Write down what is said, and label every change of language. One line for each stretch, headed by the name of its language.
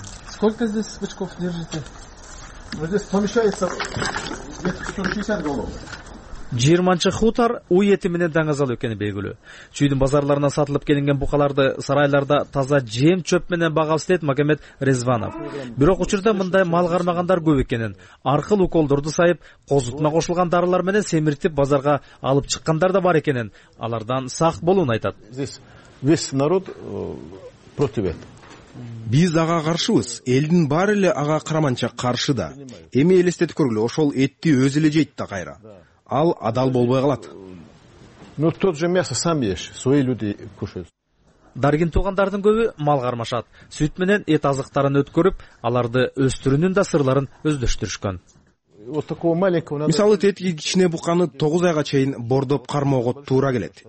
Russian: Сколько здесь бычков держите? Ну, здесь помещается 160 голов.
Kyrgyz: 20-чы хутор уй эти менен даң азалуу экени белгилүү. Чүйдүн базарларына сатылып келинген букаларды сарайларда таза жем чөп менен багабыз дейт Магомед Резванов. Бирок учурда мындай мал кармагандар көп экенин, аркыл уколдорду сайып, козутма кошулган дарылар менен семиртип базарга алып чыккандар да бар экенин, алардан сак болуун айтат.
Russian: Здесь весь народ против этого.
Kyrgyz: Биз ага каршыбыз, элдин баары эле ага караманча каршы да. Эми элестетип көргүлө, ошол этти өзү эле жейт да кайра. Ал адал болбой калат.
Russian: Ну тот же мясо сам ешь, свои люди кушают.
Kyrgyz: Даргин туугандардын көбү мал кармашат. Сүт менен эт азыктарын өткөрүп, аларды өстүрүүнүн да сырларын өздөштүрүшкөн. Мисалы, тетиги кичине буканы 9 айга чейин бордоп кармоого туура келет.